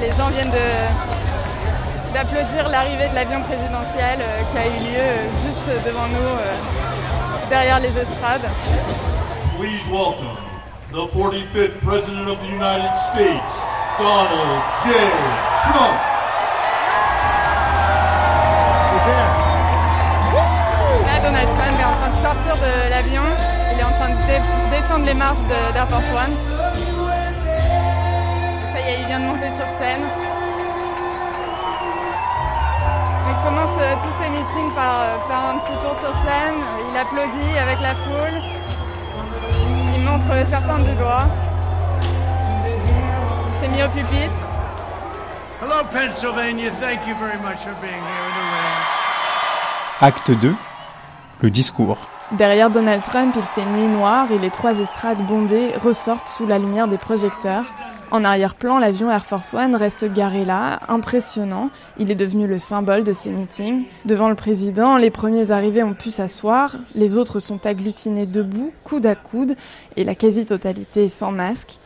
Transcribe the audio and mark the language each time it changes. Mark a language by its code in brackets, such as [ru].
[fr] Les gens viennent d'applaudir l'arrivée de l'avion présidentiel qui a eu lieu juste devant nous, derrière les estrades. [en] Please welcome the 45th President of the United States, Donald J. Trump. He's here. [fr] Là, Donald Trump est en train de sortir de l'avion. Il est en train de descendre les marches d'Air Force One. Ça y est, il vient de monter sur scène. Il commence tous ses meetings par faire un petit tour sur scène. Il applaudit avec la foule. Il montre certains du doigt. Il s'est mis au pupitre. [en] Hello Pennsylvania, thank you very much for being here in the room. [fr] Acte 2, le discours. Derrière Donald Trump, il fait nuit noire et les trois estrades bondées ressortent sous la lumière des projecteurs. En arrière-plan, l'avion Air Force One reste garé là, impressionnant. Il est devenu le symbole de ces meetings. Devant le président, les premiers arrivés ont pu s'asseoir, les autres sont agglutinés debout, coude à coude, et la quasi-totalité sans masque.